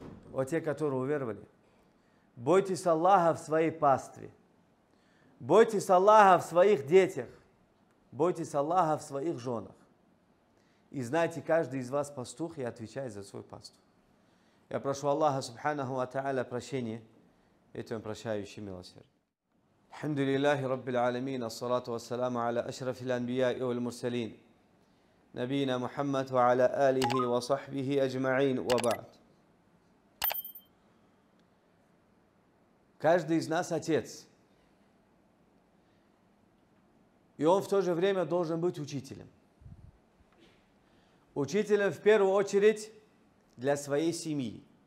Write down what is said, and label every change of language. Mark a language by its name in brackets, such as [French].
[Russian] Вот те, которые уверовали, бойтесь Аллаха в своей пастве, бойтесь Аллаха в своих детях, бойтесь Аллаха в своих женах. И знайте, каждый из вас пастух и отвечает за свою пасту. Я прошу Аллаха, субханаху ва тааля, прощения, и Он прощающий, милосердный. [Arabic] الحمد لله رب العالمين الصلاة والسلام على أشرف الأنبياء والمرسلين نبينا محمد وعلى آله وصحبه أجمعين وبعد. [Russian] Каждый из нас отец, и он в то же время должен быть учителем. Учителем в первую очередь для своей семьи.